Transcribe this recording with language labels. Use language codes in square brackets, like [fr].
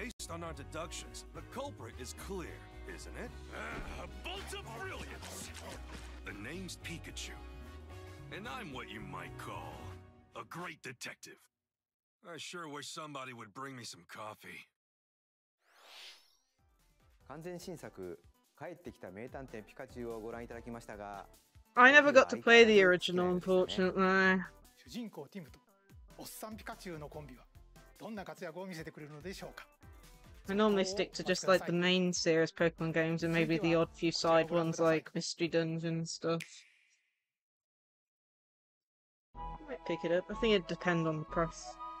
[en] On our deductions, the culprit is clear, isn't it? A bolt of brilliance! The name's Pikachu, and I'm what you might call a great detective. I sure wish somebody would bring me some coffee. [ja] 完全新作、帰ってきた名探偵ピカチュウをご覧いただきましたが、 [en] I never got to play the original, unfortunately. [ja] 主人公ティムとおっさんピカチュウのコンビはどんな活躍を見せてくれるのでしょうか。 [en] I normally stick to just like the main series Pokemon games and maybe the odd few side ones like Mystery Dungeon and stuff. I might pick it up. I think it'd depend on the press.